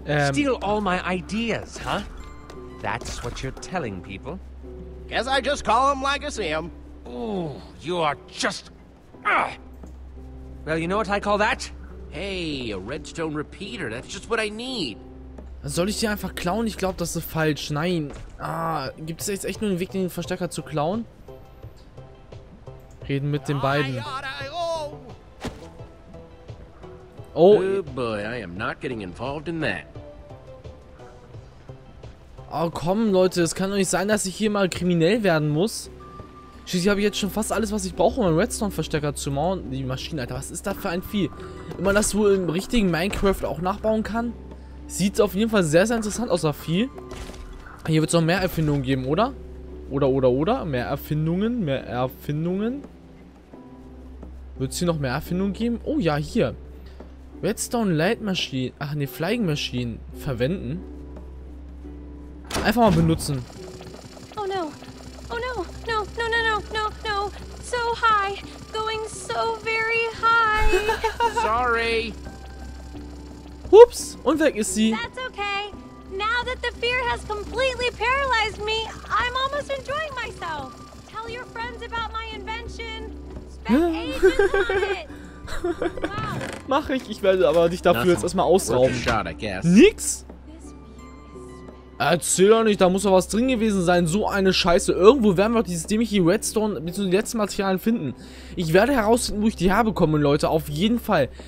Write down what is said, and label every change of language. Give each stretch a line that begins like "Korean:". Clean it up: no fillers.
English: Steal all my ideas, huh? That's what you're telling people. Guess I just call him like I see him. Ooh, you are just... Well, you know what I call that? Hey, a redstone repeater, that's just what I need.
German: Soll ich die einfach klauen? Ich glaube, das ist falsch. Nein. Ah, gibt es jetzt echt nur einen Weg, den Verstärker zu klauen? Reden mit den beiden. Oh.
English: Oh boy, I am not getting involved in that.
German: Oh komm, Leute, es kann doch nicht sein, dass ich hier mal kriminell werden muss. Schließlich habe ich jetzt schon fast alles, was ich brauche, um einen Redstone-Verstärker zu mauen. Die Maschine, Alter, was ist da für ein Vieh? Immer das wohl im richtigen Minecraft auch nachbauen kann? Sieht auf jeden Fall sehr, sehr interessant aus, Afil. Hier wird es noch mehr Erfindungen geben, oder? Oder? Mehr Erfindungen. Wird es hier noch mehr Erfindungen geben? Oh ja, hier. Redstone Light Machine. Ach ne, Flying Machine. Verwenden. Einfach mal benutzen.
English: Oh no. Oh no. No, no, no, no, no, no. So high. Going so very high. Sorry.
German: Oops, und weg ist sie.
English: That's okay. Now that the fear has completely paralyzed me, I'm almost enjoying myself. Tell your friends about my invention. Spend ages on it. Wow.
German: Mach ich. Ich werde aber dich dafür jetzt erstmal ausrauben. Nix? Erzähl doch nicht, da muss doch was drin gewesen sein. So eine Scheiße. Irgendwo werden wir dieses dämliche Redstone bzw. die letzten Materialien finden. Ich werde herausfinden, wo ich die herbekomme, Leute. Auf jeden Fall.